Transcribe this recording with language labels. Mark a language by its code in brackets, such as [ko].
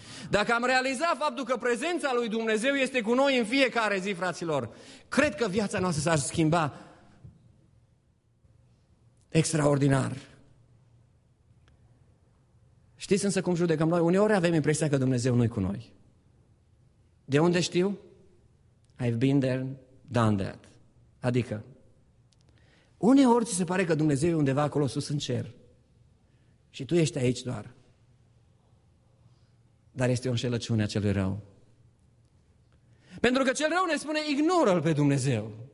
[ro] Dacă am realizat faptul că prezența lui Dumnezeu este cu noi în fiecare zi, fraților, cred că viața noastră s-ar schimba extraordinar. Știți însă cum judecăm noi? Uneori avem impresia că Dumnezeu nu-i cu noi. De unde știu? [en] I've been there, done that. [ro] Adică, uneori ți se pare că Dumnezeu e undeva acolo sus în cer și tu ești aici doar. Dar este o înșelăciune a celui rău. Pentru că cel rău ne spune, ignoră-l pe Dumnezeu.